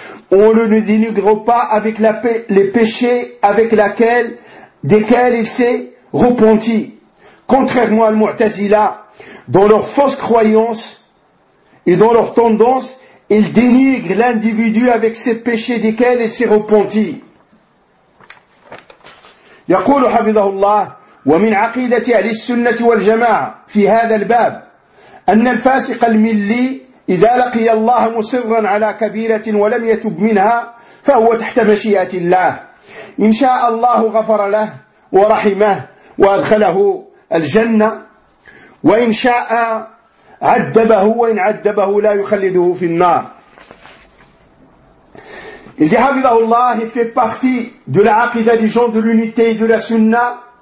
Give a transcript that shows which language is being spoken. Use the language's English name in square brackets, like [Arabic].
[French] On le ne dénigre pas avec les péchés avec desquels il s'est repenti. Contrairement à Mu'tazila, dans leurs fausses croyances et dans leurs tendances, il dénigre l'individu avec ses péchés desquels il s'est repenti. [Arabic] يقول حفظه الله ومن عقيدة أهل السنة والجماعة في هذا الباب أن الفاسق الملي إذا لقي الله مسرا على كبيرة ولم يتب منها فهو تحت مشيئة الله إن شاء الله غفر له ورحمه وأدخله الجنة وإن شاء عدبه وإن عدبه لا يخلده في النار. [French] Il dit, habidallah, il fait partie de la aqida des gens de l'unité et de la sunna.